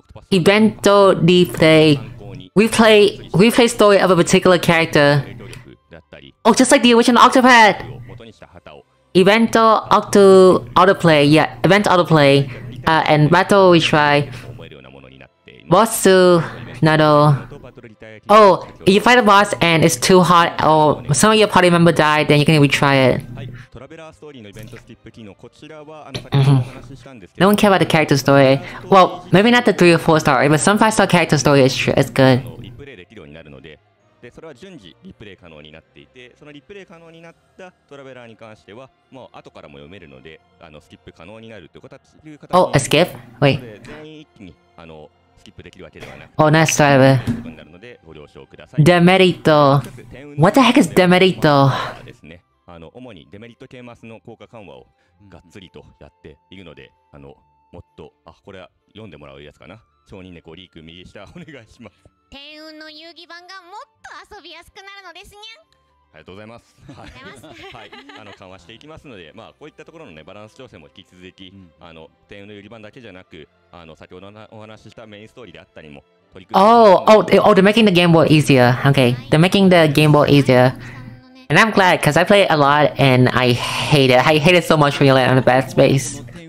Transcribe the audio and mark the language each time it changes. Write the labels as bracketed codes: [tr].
[en] イベントリプレイ replay story of a particular character oh just like the original Octopath イベント octo autoplay yeah event autoplay and battle we try boss などoh you fight a boss and it's too hard or some of your party member died then you can retry it [ja] トラベラーストーリーのイベントスキップ機能こちらはあの先ほどお話ししたんですけど、 [en] No one cares about the character story. Well, maybe not the 3 or 4 star, but some 5 star character story is true. It's good. [ja] リプレイできるようになるので、でそれは順次リプレイ可能になっていて、そのリプレイ可能になったトラベラーに関しては、もう後からも読めるので、あのスキップ可能になるという形で、 [en] Oh, a skip? Wait. [ja] 全員一気にあのスキップできるわけではな [en] く、Oh, nice try. [ja] なるのでご了承ください。 [en] デメリット。What the heck is デメリット？ [ja] あの主にデメリット系マスの効果緩和をがっつりとやっているので、うん、あのもっとあこれは読んでもらうやつかな超人猫リーク右下お願いします天運の遊戯版がもっと遊びやすくなるのですにゃんありがとうございますはい、あの緩和していきますのでまあこういったところのねバランス調整も引き続き、うん、あの天運の遊戯版だけじゃなくあの先ほどお話ししたメインストーリーであったりも取り組んで [en] They're making the game board easier okay they're making the game board easierAnd I'm glad, because I play it a lot, and I hate it. I hate it so much when you land on a bad space.